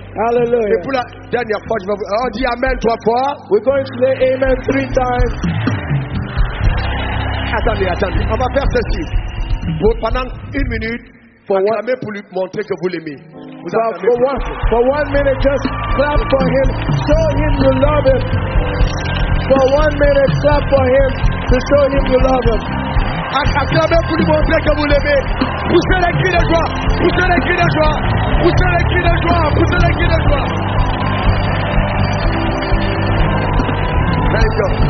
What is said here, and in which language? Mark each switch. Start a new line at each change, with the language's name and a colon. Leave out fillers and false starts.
French: Et pour la dernière fois, je vais vous dire Amen trois fois.
English: We're going to say Amen three times.
French: Attendez. On va faire ceci. Pendant une minute, acclamez pour lui montrer que vous l'aimez.
English: For one minute, just clap for him. Show him you love him. For one minute, clap for him to show him you love him.
French: Acclamez pour lui montrer que vous l'aimez. Poussez les cris de joie. Poussez les cris de joie. Poussez les cris de joie. Poussez les cris de joie.
English: Thank you.